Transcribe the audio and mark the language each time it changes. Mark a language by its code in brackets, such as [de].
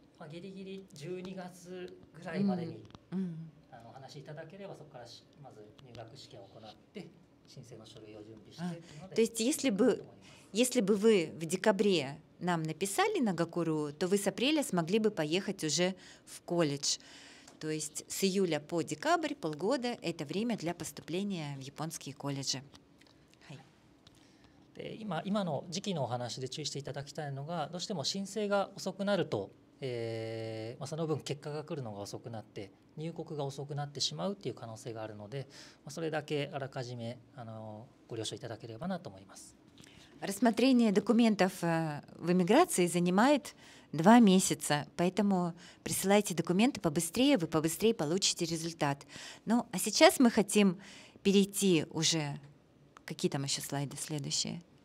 [ja] ギリギリ12月ぐらいまでに、お話しいただければそこからまず入学試験を行って申請の書類を準備して、 [ru] то есть если бы вы в декабре нам написали на Гакуру, то вы с апреля смогли бы поехать уже в колледж. То есть с июля по декабрь 0.5 года это время для поступления в японские колледжи. [ja] で、今の時期のお話で注意していただきたいのが、どうしても申請が遅くなると、その分結果が来るのが遅くなって入国が遅くなってしまうという可能性があるので、それだけあらかじめご了承いただければなと思います。 [ru] Рассмотрение документов в эмиграции занимает 2 месяца, поэтому присылайте документы побыстрее, вы побыстрее получите результат. А сейчас мы хотим перейти уже... Какие там еще слайды следующие?